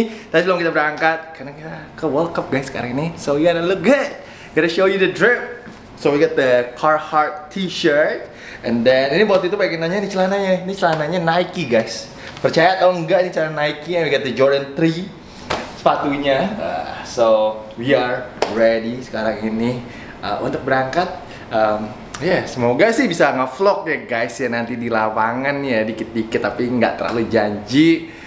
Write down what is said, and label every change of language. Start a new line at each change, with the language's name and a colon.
Indonesian: Tapi sebelum kita berangkat, karena kita ke World Cup guys sekarang ini.
English: So you gotta look good. Gotta show you the drip. So we got the Carhartt T-shirt.
Indonesian: And then ini buat itu pengen nanya ini celananya Nike guys. Percaya atau enggak ini celana Nike yang
English: we got the Jordan 3
Indonesian: sepatunya.
English: So we are ready
Indonesian: sekarang ini untuk berangkat. Semoga sih bisa nge-vlog ya guys ya nanti di lapangan ya dikit-dikit tapi enggak terlalu janji.